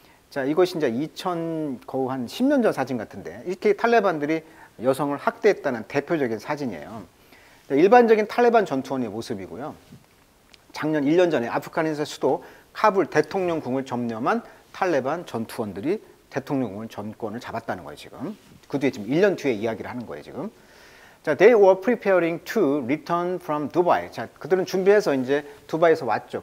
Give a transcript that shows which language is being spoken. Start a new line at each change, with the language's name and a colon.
Korean: 자, 이것이 이제 한 10년 전 사진 같은데 이렇게 탈레반들이 여성을 학대했다는 대표적인 사진이에요. 일반적인 탈레반 전투원의 모습이고요. 작년 1년 전에 아프가니스탄 수도 카불 대통령궁을 점령한 탈레반 전투원들이 대통령궁을 전권을 잡았다는 거예요, 지금. 그 뒤에 지금 1년 뒤에 이야기를 하는 거예요, 지금.
English: 자, they were preparing to return from Dubai.
Korean: 자, 그들은 준비해서 이제 두바이에서 왔죠.